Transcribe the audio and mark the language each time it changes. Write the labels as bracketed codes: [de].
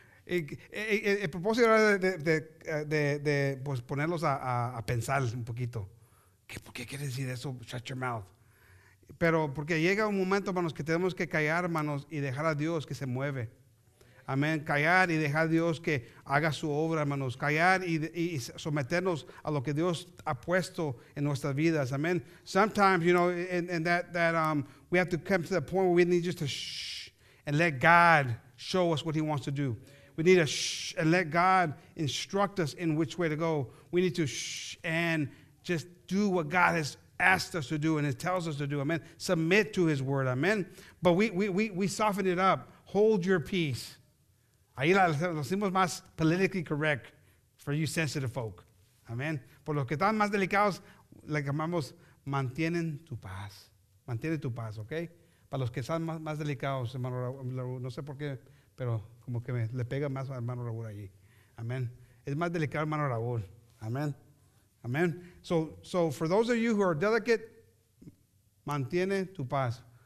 [es] El propósito era de pues ponerlos a pensar un poquito. ¿Por qué quiere decir eso? [en] Shut your mouth. [es] Pero porque llega un momento, hermanos, que tenemos que callar, hermanos, y dejar a Dios que se mueve. Amén. Callar y dejar a Dios que haga su obra, hermanos. Callar y someternos a lo que Dios ha puesto en nuestras vidas. Amén. [en] Sometimes, you know, and that we have to come to the point where we need just to shh and let God show us what he wants to do. We need to shh and let God instruct us in which way to go. We need to shh and just do what God has asked us to do and it tells us to do. Amen. Submit to his word. Amen. But we soften it up. Hold your peace. [es] Ahí lo decimos más [en] politically correct for you sensitive folk. Amen. [es] Por los que están más delicados, le llamamos mantienen tu paz. Mantienen tu paz, okay? Para los que están más delicados, hermano Raúl, no sé por qué, pero como que le pega más a hermano Raúl allí. Amen. Es más delicado, hermano Raúl. Amen. Amen. [en] So for those of you who are delicate, [es] mantiene tu paz.